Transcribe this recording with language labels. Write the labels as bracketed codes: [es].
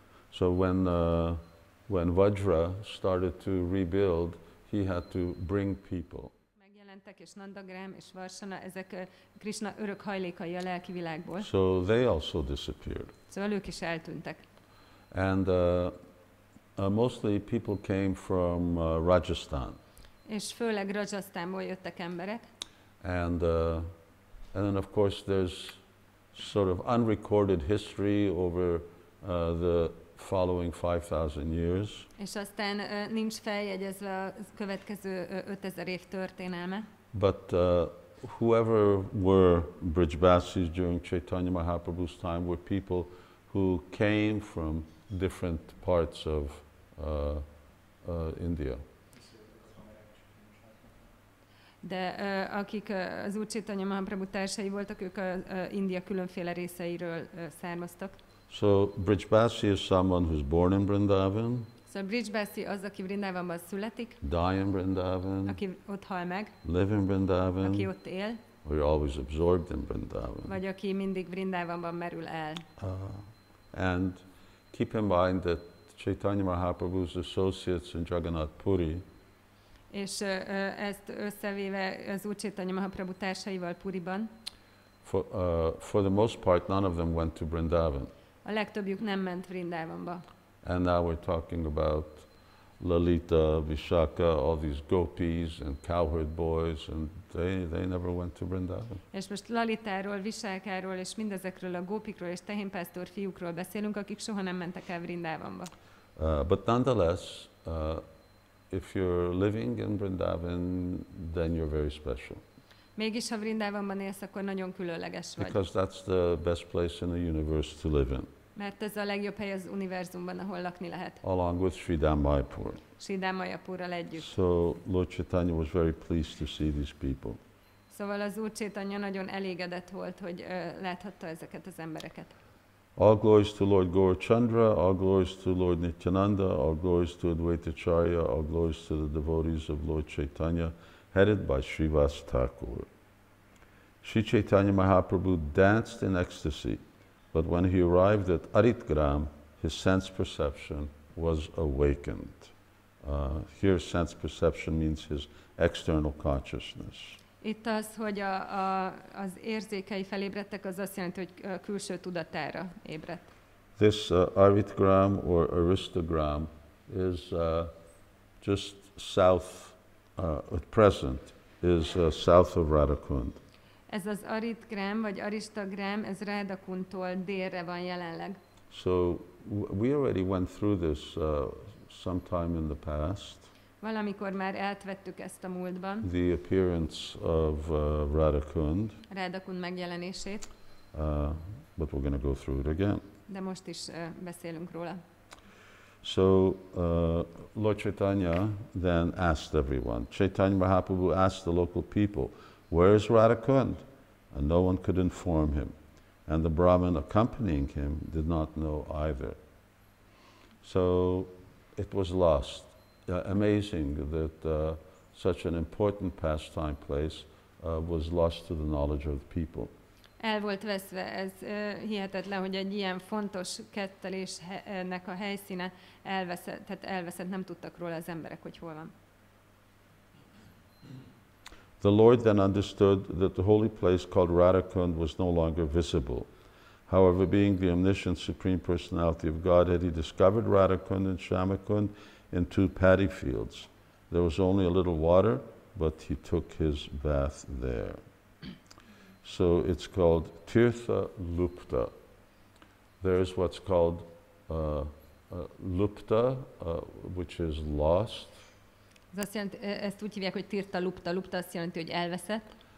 [en] So when Vajra started to rebuild, he had to bring people. [hu] És Nandagram és Varsana, ezek Krishna örök hajlékai a lelki világból. [en] So they also disappeared. [hu] Szóval ők is eltűntek. [en] And mostly people came from Rajasthan. [hu] És főleg Rajasthanból jöttek emberek. [en] And then of course there's sort of unrecorded history over the following 5,000 years. [hu] És aztán nincs feljegyezve a következő 5,000 év történelme. [en] But whoever were brijbasis during Chaitanya Mahaprabhu's time were people who came from different parts of India. [hu] De akik az Úr Chaitanya Mahaprabhu társai voltak, ők India különféle részeiről származtak. [en] So brijbasi is someone who's born in Vrindavan. [hu] So brijbasi az, aki Vrindavanban születik. [en] Die in Vrindavan. [hu] Aki ott hal meg. [en] Live in Vrindavan. [hu] Aki ott él. [en] Or always absorbed in Vrindavan. [hu] Vagy aki mindig Vrindavanban merül el. [en] And keep in mind that Chaitanya Mahaprabhu's associates in Jagannath Puri. [hu] És ezt összevéve az Úr Chaitanya Mahaprabhu társaival Puriban. [en] For the most part, none of them went to Vrindavan. [hu] A legtöbbjük nem ment Vrindavanba. [en] And now we're talking about Lalita, Vishakha, all these gopis and cowherd boys, and they never went to Vrindavan. [hu] És most Lalitáról, Vishakháról és mindezekről a gópikról és tehénpásztor fiúkról beszélünk, akik soha nem mentek el Vrindavanba. [en] But nonetheless, if you're living in Vrindavan, then you're very special. [hu] Mégis ha Vrindavanban élsz, akkor nagyon különleges vagy. [en] Because that's the best place in the universe to live in. [hu] Mert ez a legjobb hely az univerzumban, ahol lakni lehet. [en] Along with Sridhamayapur. [hu] Sridhamayapurral együtt. [en] So Lord Chaitanya was very pleased to see these people. [hu] Szóval az Úr Chaitanya nagyon elégedett volt, hogy láthatta ezeket az embereket. [en] All glories to Lord Gaurachandra, all glories to Lord Nityananda, all glories to Advaita Acharya, all glories to the devotees of Lord Chaitanya, headed by Srivas Thakur. Sri Chaitanya Mahaprabhu danced in ecstasy, but when he arrived at Aritgram, his sense perception was awakened. Here, sense perception means his external consciousness. [hu] Itt az, hogy az érzékei felébredtek, az azt jelenti, hogy külső tudatára ébredt. [en] This Aritgram or Aristogram is just south, at present, is south of Radhakund. [hu] Ez az Aritgram vagy Aristagram, ez Radakuntól délre van jelenleg. [en] So we already went through this sometime in the past. [hu] Valamikor már eltvettük ezt a múltban. [en] The appearance of Radakund. [hu] Radakund megjelenését. [en] But we're going to go through it again. [hu] De most is beszélünk róla. [en] So Lord Caitanya then asked everyone. Caitanya Mahaprabhu asked the local people, "Where is Radakund?" And no one could inform him. And the Brahmin accompanying him did not know either. So it was lost. Amazing that such an important pastime place was lost to the knowledge of the people. [hu] El volt veszve, ez hihetetlen, hogy egy ilyen fontos kettelésnek a helyszíne elveszett, tehát elveszett, nem tudtak róla az emberek, hogy hol van. [en] The Lord then understood that the holy place called Radhakund was no longer visible. However, being the omniscient Supreme Personality of Godhead, he discovered Radhakund and Shyamakund in two paddy fields. There was only a little water, but he took his bath there. So it's called Tirtha Lupta. There is what's called Lupta, which is lost. [hu] Ez azt jelenti, ezt úgy hívják, hogy Tirtha Lupta. Lupta azt jelenti, hogy elveszett.